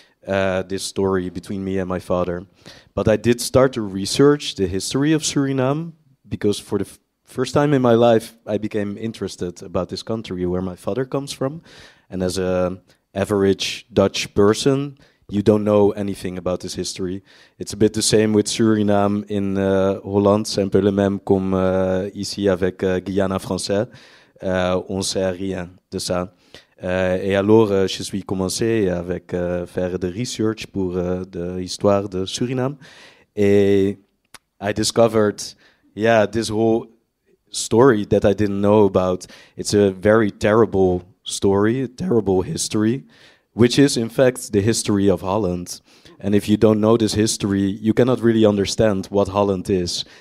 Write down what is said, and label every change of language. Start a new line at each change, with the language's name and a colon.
English: this story between me and my father. But I did start to research the history of Suriname because for the first time in my life, I became interested about this country where my father comes from. And as a average Dutch person, you don't know anything about this history. It's a bit the same with Suriname in Holland.
French: C'est un peu le même comme ici avec Guyana français. On sait rien de ça. Et alors, je suis commencé avec faire des
English: research
French: pour de l'histoire de Suriname.
English: Et I discovered, yeah, this whole story that I didn't know about. It's a very terrible story, a terrible history, which is, in fact, the history of Holland. And if you don't know this history, you cannot really understand what Holland is.